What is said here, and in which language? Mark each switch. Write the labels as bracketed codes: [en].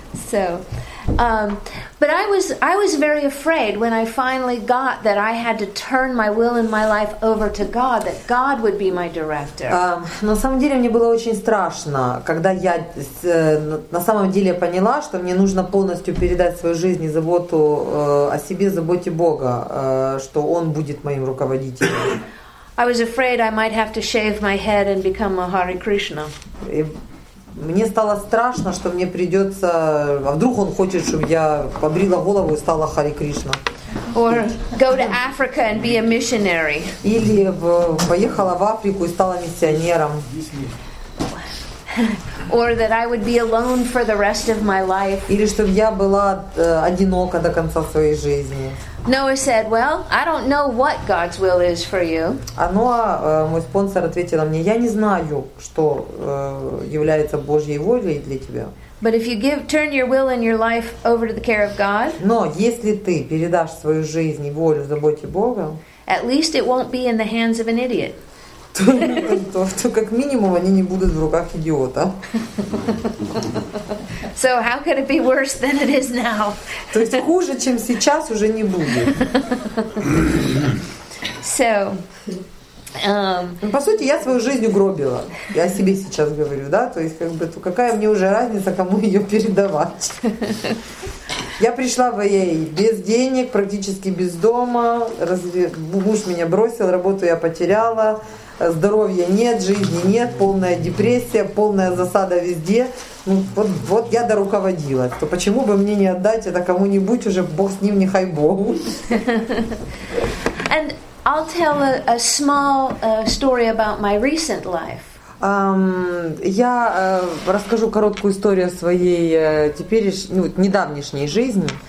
[en] So, but I was very afraid when I finally got that I had to turn my will and my life over to God, that God would be my director. [ru] На самом деле мне было очень страшно, когда я на самом деле поняла, что мне нужно полностью передать свою жизнь и заботу о себе, заботе Бога, что Он будет моим руководителем. [en] I was afraid I might have to shave my head and become a Hare Krishna. [ru] Мне стало страшно, что мне придется. А вдруг он хочет, чтобы я побрила голову и стала Хари Кришна? [en] Or go to Africa and be a missionary. [ru] Или поехала в Африку и стала миссионером. [en] Or that I would be alone for the rest of my life. [ru] Или чтобы я была одинока до конца своей жизни. [en] Noah said, "Well, I don't know what God's will is for you." [ru] А Ноа, мой спонсор, ответила мне: "Я не знаю, что является Божьей волей для тебя." [en] But if you give turn your will and your life over to the care of God, [ru] но если ты передашь свою жизнь и волю заботе Бога, [en] at least it won't be in the hands of an idiot. [ru] То как минимум они не будут в руках идиота. [en] So how could it be worse than it is now? [ru] То есть хуже, чем сейчас, уже не будет. So, по сути, я свою жизнь угробила. Я себе сейчас говорю, да? То есть как бы, то какая мне уже разница, кому ее передавать? Я пришла в ЕИ без денег, практически без дома. Муж меня бросил, работу я потеряла. Здоровья нет, жизни нет, полная депрессия, полная засада везде. Ну, вот я доруководила. То почему бы мне не отдать это кому-нибудь уже, Бог с ним, нехай Богу. [en] And I'll tell a small story about my recent life. [ru] Я расскажу короткую историю о своей теперешней, ну, недавнешней жизни.